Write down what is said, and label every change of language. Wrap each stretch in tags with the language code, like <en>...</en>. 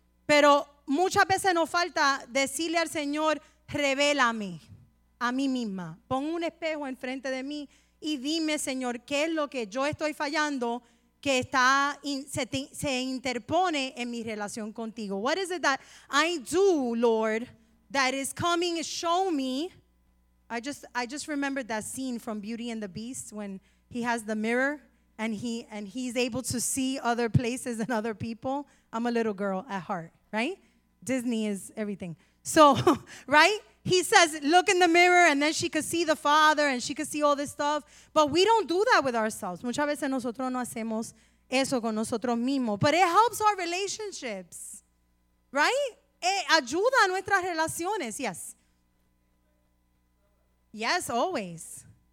<es>Pero muchas veces nos falta decirle al Señor, revélame a mí misma. Pon un espejo enfrente de mí y dime, Señor, ¿qué es lo que yo estoy fallando que se interpone en mi relación contigo?</es> <en>What is it that I do, Lord, that is coming, show me. I just remembered that scene from Beauty and the Beast when he has the mirror and he's able to see other places and other people. I'm a little girl at heart, right? Disney is everything. So, right? He says, look in the mirror, and then she could see the Father, and she could see all this stuff. But we don't do that with ourselves.</en> <es>Muchas veces nosotros no hacemos eso con nosotros mismos.</es> <en>But it helps our relationships, right?</en> <es>Ayuda a nuestras relaciones, yes.</es> <en>Yes, always.</en>